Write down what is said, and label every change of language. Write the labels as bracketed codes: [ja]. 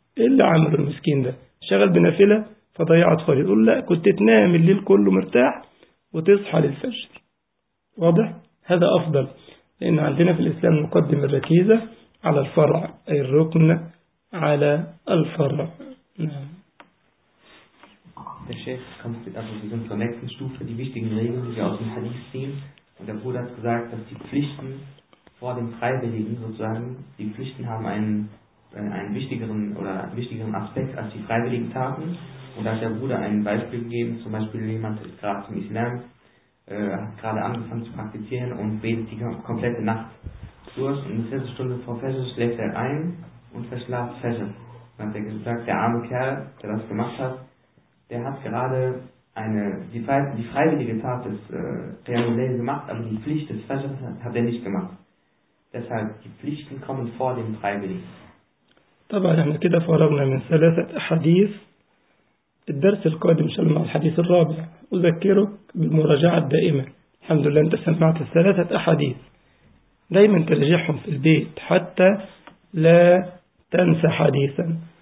[ar] إيه اللي عمل المسكين ده؟ شغل بنافلة فضيعت فريضة. يقول لا، كنت تنام الليل كله مرتاح وتصحى للفجر. واضح؟ هذا أفضل، لأن عندنا في الإسلام نقدم الركيزة على الفرع، أي الركن على الفرع. نعم. [de] Der Chef kommt also zu dieser nächsten Stufe, die wichtigen Regeln, die wir aus dem Hadith ziehen. Und der Bruder hat gesagt, dass die Pflichten vor dem Freiwilligen sozusagen, die Pflichten haben einen wichtigeren Aspekt als die freiwilligen Taten. Und da hat der Bruder ein Beispiel gegeben, zum Beispiel jemand ist gerade zum Islam, hat gerade angefangen zu praktizieren und betet die komplette Nacht durch. Und eine Viertelstunde vor Fajr schläft er ein und verschläft Fajr. Dann hat er gesagt, der arme Kerl, der das gemacht hat, der hat gerade die freiwillige Tat des Qiyamul-Layl gemacht, aber die Pflicht des Fajr hat er nicht gemacht. Deshalb, die Pflichten kommen vor dem Freiwilligen. [ar] طبعا احنا كده فرغنا من ثلاثة احاديث. الدرس القادم ان شاء الله الحديث الرابع، اذكرك بالمراجعة الدائمة. الحمد لله انت سمعت الثلاثة احاديث، دايما ترجعهم في البيت حتى لا تنسى حديثا.